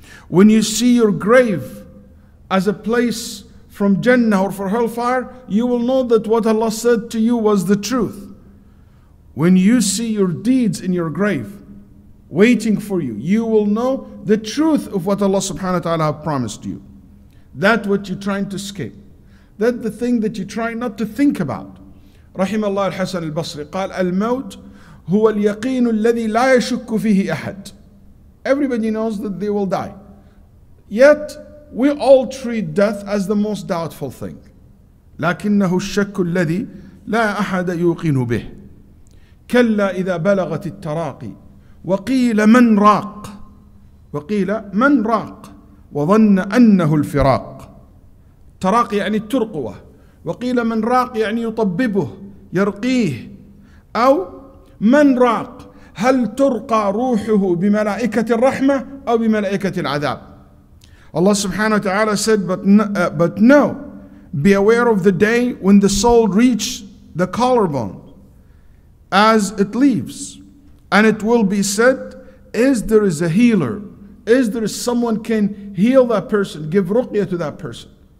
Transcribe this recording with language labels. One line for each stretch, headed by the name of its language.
English: When you see your grave as a place from Jannah or for hellfire, you will know that what Allah said to you was the truth. When you see your deeds in your grave waiting for you, you will know the truth of what Allah subhanahu wa ta'ala have promised you. That what you're trying to escape. That the thing that you're trying not to think about.
Arabic: رحم الله الحسن البصري قال الموت هو اليقين الذي لا يشك فيه أحد.
English: Everybody knows that they will die. Yet we all treat death as the most doubtful thing.
Arabic: لكنه الشك الذي لا أحد يوقن به. كلا إذا بلغت التراقي وقيل من راق وقيل من راق وظن أنه الفراق. تراقي يعني الترقوة. وقيل من راق يعني يطببه يرقيه. أو من راق هل ترقى روحه بملائكة الرحمة أو بملائكة العذاب.
English: Allah subhanahu wa ta'ala said, but no, be aware of the day when the soul reaches the collarbone as it leaves. And it will be said, is there is a healer? Is there someone can heal that person, give ruqya to that person?